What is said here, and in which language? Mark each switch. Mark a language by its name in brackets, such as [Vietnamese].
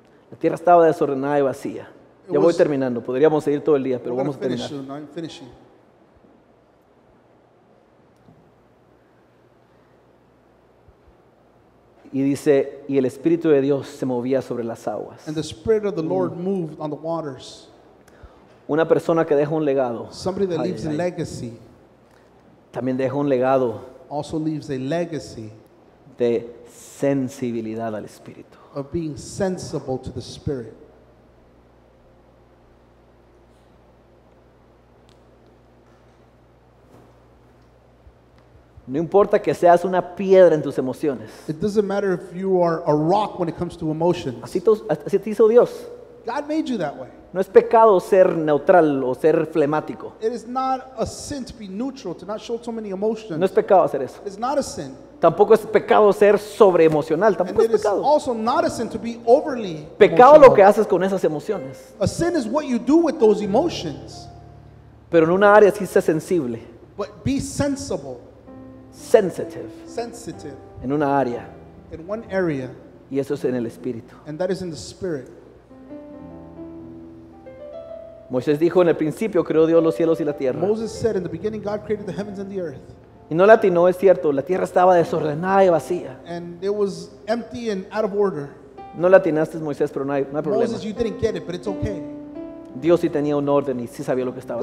[Spanish] La tierra estaba desordenada y vacía. Ya voy terminando. Podríamos seguir todo el día, pero vamos a terminar. [English] I'm finishing. [Spanish] Y dice, y el Espíritu de Dios se movía sobre las aguas. [English] And the Spirit of the Lord moved on the waters. [Spanish] Una persona que deja un legado. [English] Somebody that leaves a legacy. [Spanish] También deja un legado. [English] Also leaves a legacy [Spanish] de sensibilidad al Espíritu. [English] Of being sensible to the Spirit. [Spanish] No importa que seas una piedra en tus emociones. [English] It doesn't matter if you are a rock when it comes to emotions. [Spanish] Así te hizo Dios. [English] God made you that way. [Spanish] No es pecado ser neutral o ser flemático. [English] It is not a sin to be neutral, to not show too many emotions. [Spanish] No es pecado hacer eso. [English] It's not a sin. [Spanish] Tampoco es pecado ser sobreemocional. Tampoco [English] and [Spanish] es pecado. [English] It is also not a sin to be overly [Spanish] pecado [English] emotional. [Spanish] Pecado lo que haces con esas emociones. [English] A sin is what you do with those emotions. [Spanish] Pero en una área sí sé sensible. [English] But be sensible. Sensitive. Sensitive. [Spanish] En una área. [English] In one area. [Spanish] Y eso es en el Espíritu. [English] And that is in the Spirit. [Spanish] Moisés dijo en el principio creó Dios los cielos y la tierra. [English] Moses said in the beginning God created the heavens and the earth. [Spanish] Y no latinó, es cierto, la tierra estaba desordenada y vacía. [English] And it was empty and out of order. [Spanish] No latinaste, Moisés, pero no hay problema. [English] Moses, you didn't get it, but it's okay. [Spanish] Dios sí tenía un orden y sí sabía lo que estaba